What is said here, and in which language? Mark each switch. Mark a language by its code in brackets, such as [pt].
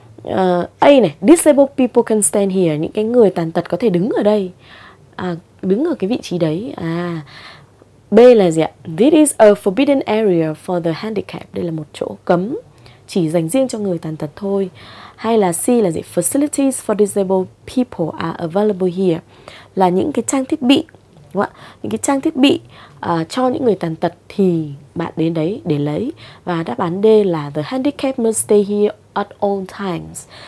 [vi] A này, [en] disabled people can stand here, [vi] những cái người tàn tật có thể đứng ở đây, đứng ở cái vị trí đấy. B là gì ạ? [en] This is a forbidden area for the handicapped. [vi] Đây là một chỗ cấm chỉ dành riêng cho người tàn tật thôi. Hay là C là gì? [en] Facilities for disabled people are available here. [vi] Là những cái trang thiết bị, đúng không ạ? Những cái trang thiết bị cho những người tàn tật thì bạn đến đấy để lấy. Và đáp án D là [en] the handicapped must stay here at all times.